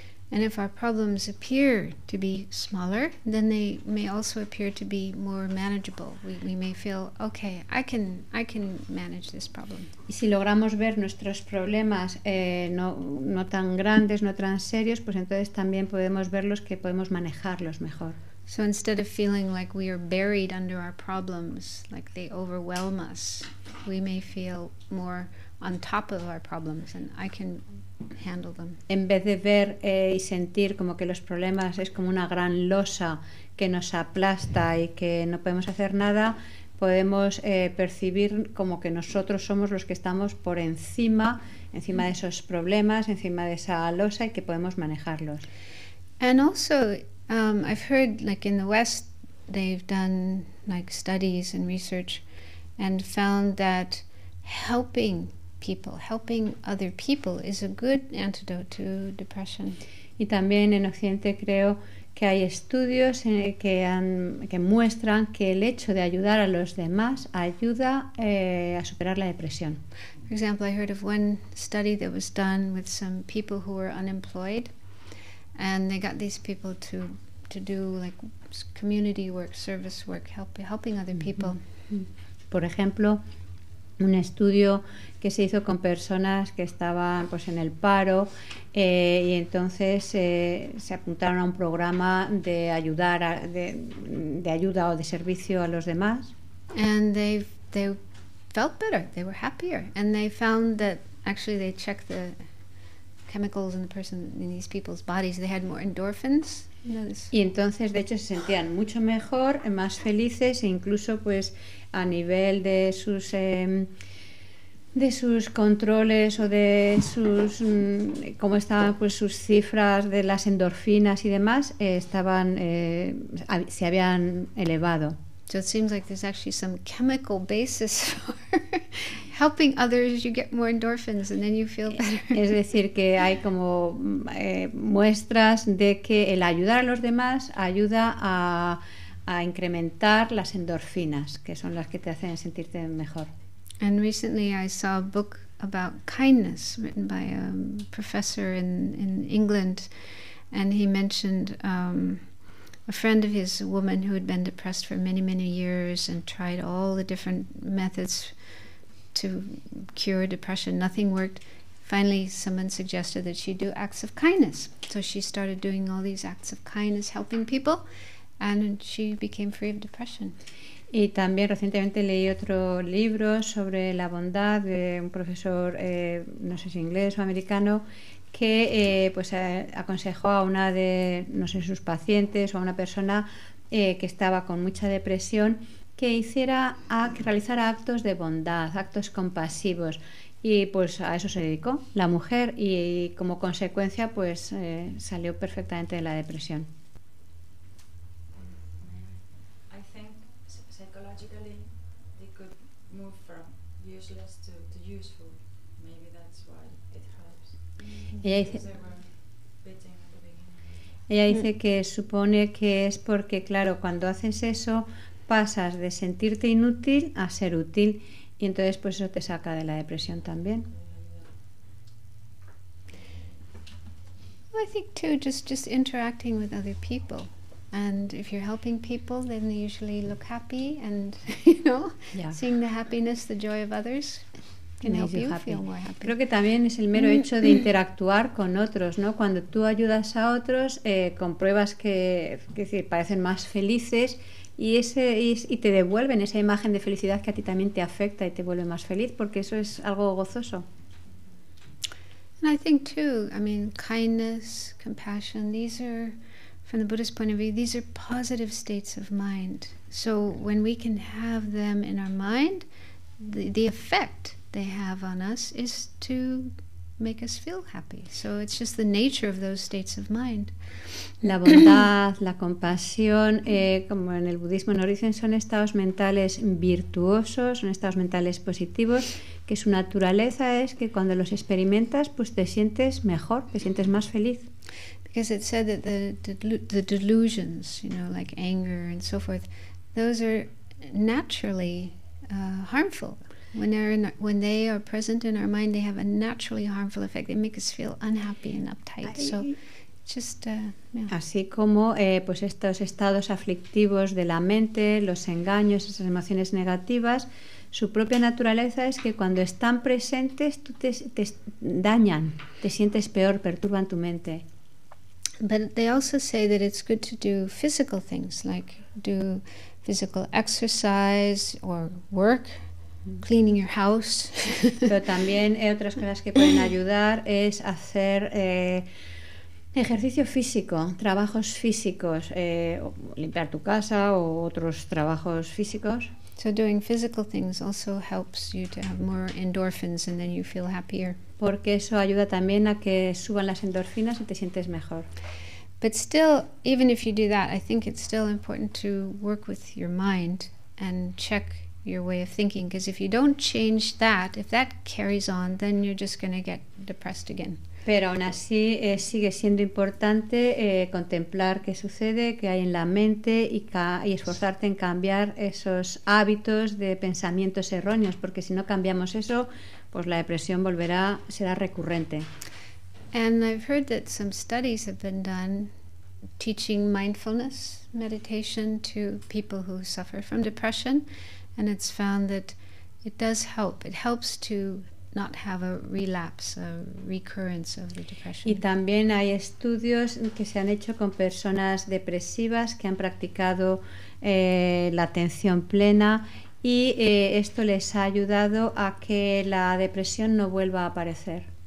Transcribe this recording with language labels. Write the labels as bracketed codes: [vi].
[en] And if our problems appear to be smaller, then they may also appear to be more manageable. We may feel, okay, I can manage this problem. [es] Y si logramos ver nuestros problemas no tan grandes, no tan serios, pues entonces también podemos verlos que podemos manejarlos mejor. [en] So instead of feeling like we are buried under our problems, like they overwhelm us, we may feel more on top of our problems and I can handle them. [es] En vez de ver y sentir como que los problemas es como una gran losa que nos aplasta y que no podemos hacer nada, podemos percibir como que nosotros somos los que estamos por encima, encima de esos problemas, encima de esa losa y que podemos manejarlos. [en] And also, I've heard like in the West, they've done like studies and research and found that helping people, helping other people is a good antidote to depression. [es] Y también en Occidente creo que hay estudios que muestran que el hecho de ayudar a los demás ayuda a superar la depresión. [en] For example, I heard of one study that was done with some people who were unemployed, and they got these people to do like community work, service work, helping other people. [es] Por ejemplo, un estudio que se hizo con personas que estaban pues en el paro y entonces se apuntaron a un programa de ayudar de ayuda o de servicio a los demás. [en] And they felt better, they were happier, and they found that actually they checked the chemicals in the person in these people's bodies, they had more endorphins. [es] Y entonces de hecho se sentían mucho mejor, más felices e incluso pues a nivel de sus controles o de sus cómo estaban pues sus cifras de las endorfinas y demás estaban se habían elevado. [en] So it seems like there's actually some chemical basis for helping others, you get more endorphins and then you feel better. [es] Es decir, que hay como muestras de que el ayudar a los demás ayuda a incrementar las endorfinas, que son las que te hacen sentirte mejor. [en] And recently I saw a book about kindness written by a professor in England, and he mentioned a friend of his, a woman who had been depressed for many, many years and tried all the different methods to cure depression, nothing worked. Finally, someone suggested that she do acts of kindness. So she started doing all these acts of kindness, helping people, and she became free of depression. [es] Y también recientemente leí otro libro sobre la bondad de un profesor, no sé si inglés o americano, que pues aconsejó a una de, no sé, sus pacientes o a una persona que estaba con mucha depresión que hiciera que realizara actos de bondad, actos compasivos, y pues a eso se dedicó la mujer y como consecuencia pues salió perfectamente de la depresión. [en] I think psychologically they could move from useless to useful. Maybe that's why it helps. [es] Ella dice que supone que es porque claro, cuando haces eso pasas de sentirte inútil a ser útil y entonces pues eso te saca de la depresión también. [en] Well, I think too just interacting with other people, and if you're helping people then they usually look happy, and you know, yeah, seeing the happiness, the joy of others can help you happy. Feel more happy. [es] Creo que también es el mero hecho de interactuar con otros, ¿no? Cuando tú ayudas a otros compruebas que es decir, parecen más felices. Y te devuelven esa imagen de felicidad que a ti también te afecta y te vuelve más feliz, porque eso es algo gozoso. [en] And I think too, I mean, kindness, compassion, these are, from the Buddhist point of view, these are positive states of mind. So when we can have them in our mind, the effect they have on us is to make us feel happy. So it's just the nature of those states of mind. [es] La bondad, la compasión, como en el budismo nos dicen, son estados mentales virtuosos, son estados mentales positivos, que su naturaleza es que cuando los experimentas, pues te sientes mejor, te sientes más feliz. [en] Because it said that the delusions, you know, like anger and so forth, those are naturally harmful. When they are present in our mind, they have a naturally harmful effect. They make us feel unhappy and uptight. So, just yeah. [es] Así como pues estos estados aflictivos de la mente, los engaños, esas emociones negativas, su propia naturaleza es que cuando están presentes, tú te dañan, te sientes peor, perturban tu mente. [en] But they also say that it's good to do physical things, like do physical exercise or work. cleaning your house. [es] Pero también otras cosas que pueden ayudar es hacer ejercicio físico, trabajos físicos, limpiar tu casa o otros trabajos físicos. [en] So doing physical things also helps you to have more endorphins and then you feel happier. [es] Porque eso ayuda también a que suban las endorfinas y te sientes mejor. [en] But still, even if you do that, I think it's still important to work with your mind and check your way of thinking, because if you don't change that, if that carries on, then you're just going to get depressed again. [es] Pero aún así sigue siendo importante contemplar qué sucede, qué hay en la mente y esforzarte en cambiar esos hábitos de pensamientos erróneos, porque si no cambiamos eso, pues la depresión volverá, será recurrente. [en] And I've heard that some studies have been done teaching mindfulness meditation to people who suffer from depression, and it's found that it does help. It helps to not have a relapse, a recurrence of the depression. [es] Y también hay estudios que se han hecho con personas depresivas que han practicado la atención plena y esto les ha ayudado a que la depresión no vuelva a aparecer.